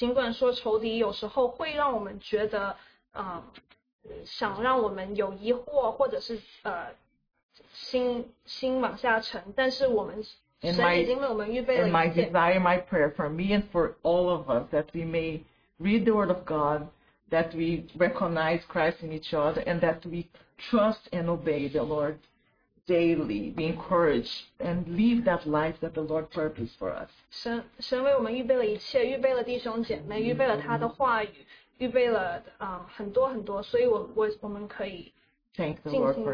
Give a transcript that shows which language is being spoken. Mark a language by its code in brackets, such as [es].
[zh] 所以我想勉励大家的就是，尽管说仇敌有时候会让我们觉得 想让我们有疑惑或者是心往下沉， 但是我们 [en] And my desire, my prayer for me and for all of us, that we may read the Word of God, that we recognize Christ in each other, and that we trust and obey the Lord daily, be encouraged, and live that life that the Lord purposed for us. [zh] 神为我们预备了一切，预备了弟兄姐妹，预备了他的话语，预备了很多很多，所以我们可以尽情的跟随神。 [en] Thank